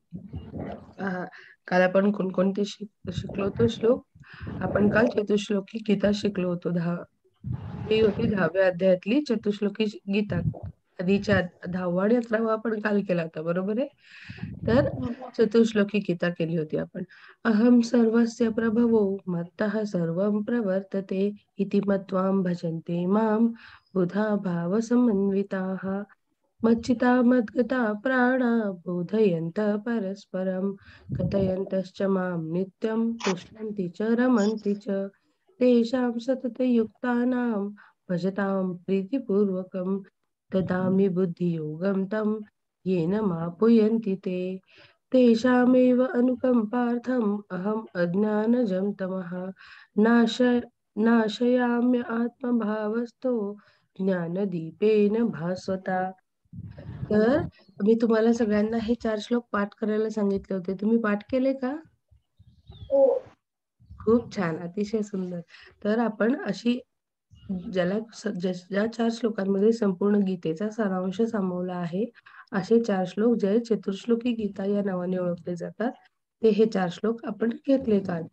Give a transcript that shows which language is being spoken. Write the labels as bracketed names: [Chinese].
[Marathi] काल आपण कोणकोणते शिकलो होतो श्लोक, आपण काल चतुश्लोकी गीता शिकलो होतो। 10व्या अध्यायातली चतुश्लोकी गीता, आधीच्या 10वा आणि 11वा आपण काल केला होता, बरोबर आहे? तर चतुश्लोकी गीता केली होती आपण। [Sanskrit] अहम सर्वस्य प्रभवो मत्तः सर्वं प्रवर्तते इति मत्वां भजन्ते माम बुधा भाव समन्विताः मच्चिता मद्गता प्राणा बोधयन्त परस्परं कथयन्तश्च माम नित्यं तुष्यन्ति च रमन्ति च तेषां सतत युक्तानां भजतां प्रीतिपूर्वकम् ददामि बुद्धियोगं तं येन मापयन्ति ते तेषामेव अनुकम्पार्थम् अहम् अज्ञानजं तमः नाशयाम्य आत्मभावस्तो ज्ञानदीपेन भास्वता। [Marathi] तर मी तुम्हाला सगळ्यांना हे 4 श्लोक पाठ करायला सांगितले होते, तुम्ही पाठ केले का? खूप छान, अतिशय सुंदर। तर आपण अशी ज्याला ज्या 4 श्लोकांमध्ये संपूर्ण गीतेचा सारांश सामावला आहे, असे 4 श्लोक जे चतुर्श्लोकी गीता या नावाने ओळखले जातात, ते हे 4 श्लोक आपण घेतले का?